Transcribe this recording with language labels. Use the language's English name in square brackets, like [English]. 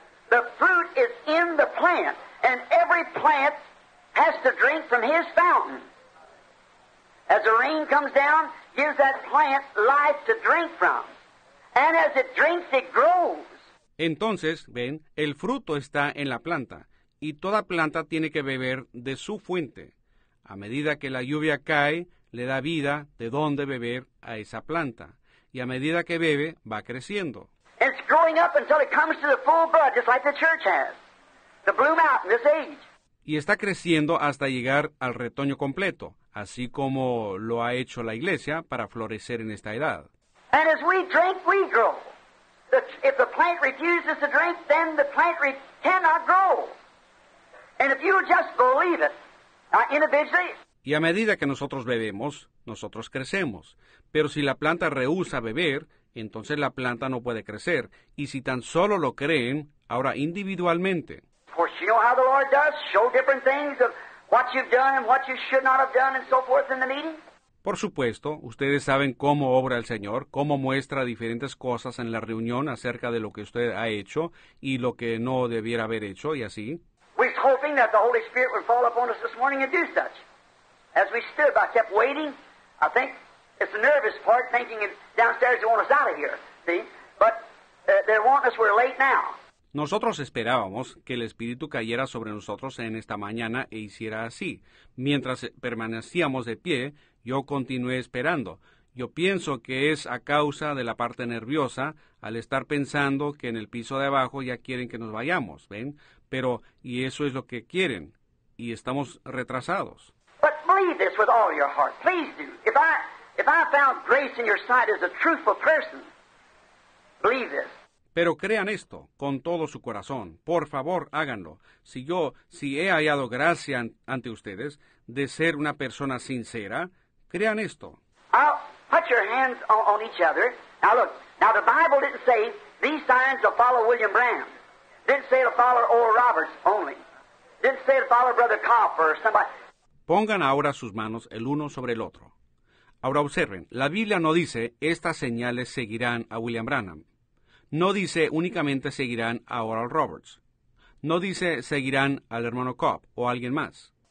[English] The fruit is in the plant, and every plant has to drink from his fountain. As the rain comes down, gives that plant life to drink from. And as it drinks, it grows. [Spanish] Entonces, ven, el fruto está en la planta. Y toda planta tiene que beber de su fuente. A medida que la lluvia cae, le da vida de dónde beber a esa planta. Y a medida que bebe, va creciendo. [English] It's growing up until it comes to the full bud, just like the church has. The blue mountain, this age. [Spanish] Y está creciendo hasta llegar al retoño completo, así como lo ha hecho la iglesia para florecer en esta edad. [English] And as we drink, we grow. If the plant refuses to drink, then the plant cannot grow. And if you just believe it, individually. [Spanish] Y a medida que nosotros bebemos, nosotros crecemos. Pero si la planta rehúsa beber, entonces la planta no puede crecer. Y si tan solo lo creen, ahora individualmente. [English] For you know how the Lord does, show different things of what you've done and what you should not have done and so forth in the meeting. [Spanish] Por supuesto, ustedes saben cómo obra el Señor, cómo muestra diferentes cosas en la reunión acerca de lo que usted ha hecho y lo que no debiera haber hecho y así. [English] We're hoping that the Holy Spirit would fall upon us this morning and do such. As we stood, I kept waiting. I think it's the nervous part, thinking downstairs they want us out of here. See? But they're wanting us, we're late now. [Spanish] Nosotros esperábamos que el Espíritu cayera sobre nosotros en esta mañana e hiciera así. Mientras permanecíamos de pie, yo continué esperando. Yo pienso que es a causa de la parte nerviosa al estar pensando que en el piso de abajo ya quieren que nos vayamos, ¿ven? Pero, y eso es lo que quieren, y estamos retrasados. [English] But believe this with all your heart. Please do. If I found grace in your sight as a truthful person, believe this. [Spanish] Pero crean esto con todo su corazón. Por favor, háganlo. Si he hallado gracia ante ustedes de ser una persona sincera, crean esto. [English] I'll put your hands on each other. Now look, now the Bible didn't say these signs will follow William Branham. Didn't say it'll follow Oral Roberts only. Didn't say it'll follow Brother Copper or somebody. [Spanish] Pongan ahora sus manos el uno sobre el otro. Ahora observen, la Biblia no dice estas señales seguirán a William Branham. No dice únicamente seguirán a Oral Roberts. No dice seguirán al hermano Cobb o alguien más.